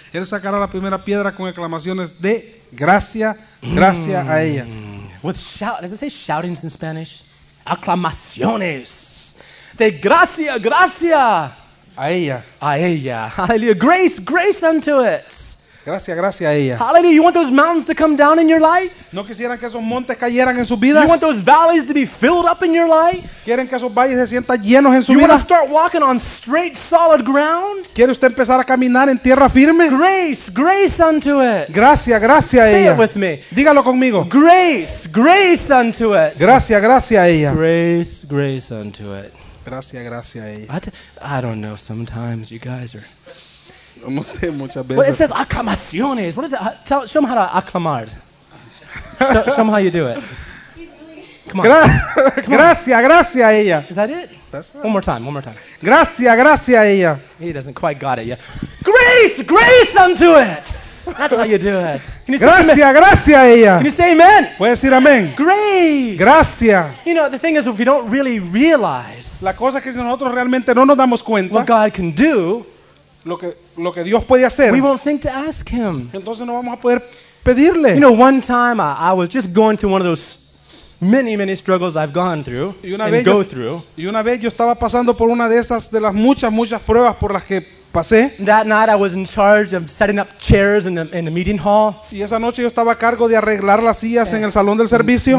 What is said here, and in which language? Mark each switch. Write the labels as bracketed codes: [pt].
[es] Él sacará la primera piedra con exclamaciones de gracia, gracia a ella. [en] With shout, does it say shoutings in Spanish? [es] Aclamaciones. De gracia, gracia. A ella. A ella. [en] Hallelujah. Grace, grace unto it. [es] Gracia, gracia a ella. [en] Hallelujah. You want those mountains to come down in your life? [es] ¿No quisieran que esos montes cayeran en sus vidas? [en] You want those valleys to be filled up in your life? [es] ¿Quieren que esos valles se sientan llenos en su you vida? [en] Want to start walking on straight, solid ground? [es] ¿Quiere usted empezar a caminar en tierra firme? [en] Grace, grace unto it. [es] Gracia, gracia a ella. [en] Say it with me. [es] Dígalo conmigo. [en] Grace, grace unto it. [es] Gracia, gracia a ella. [en] Grace, grace unto it. [es] Gracia, gracia a ella. [en] I don't know. Sometimes you guys are... [es] No sé, muchas veces. [en] Well, it says aclamaciones. What is it? Show them how to aclamar. Show them how you do it. Come on. [es] Gracias, gracias a ella. [en] Is that it? That's one more time, one more time. [es] Gracias, gracias a ella. [en] He doesn't quite got it yet. Grace, grace unto it. That's how you do it. [es] Gracias, gracias a ella. [en] Can you say amen? [es] Puedes decir amén. [en] Grace. [es] Gracias. [en] You know, the thing is, if you don't really realize [es] la cosa que nosotros realmente no nos damos cuenta [en] what God can do, [es] Lo que Dios puede hacer. [en] We won't think to ask him. [es] Entonces no vamos a poder pedirle. [en] You know, one time I was just going through one of those many, many struggles I've gone through and go through. [es] Y una vez yo estaba pasando por una de esas de las muchas, muchas pruebas por las que pasé. [en] That night I was in charge of setting up chairs in the meeting hall. [es] Y esa noche yo estaba a cargo de arreglar las sillas en el salón del servicio.